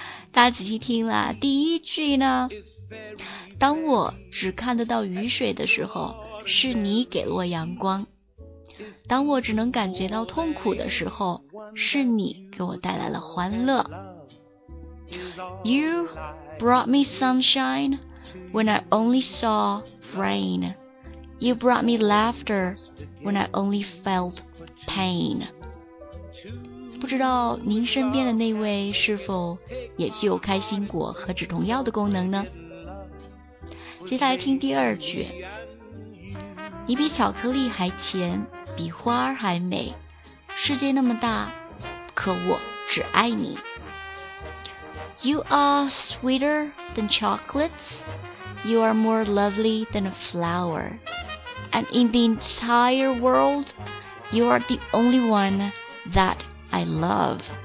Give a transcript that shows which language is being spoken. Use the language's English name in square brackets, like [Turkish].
[Chinese] 大家仔细听啦，第一句呢，当我只看得到雨水的时候，是你给了我阳光。当我只能感觉到痛苦的时候，是你给我带来了欢乐。 [English] You brought me sunshine when I only saw rain. You brought me laughter when I only felt pain. [Chinese] 不知道您身边的那位是否也具有开心果和止痛药的功能呢？接下来听第二句，你比巧克力还甜，比花儿还美，世界那么大，可我只爱你。 [English] You are sweeter than chocolates, you are more lovely than a flower, and in the entire world, you are the only one that I love.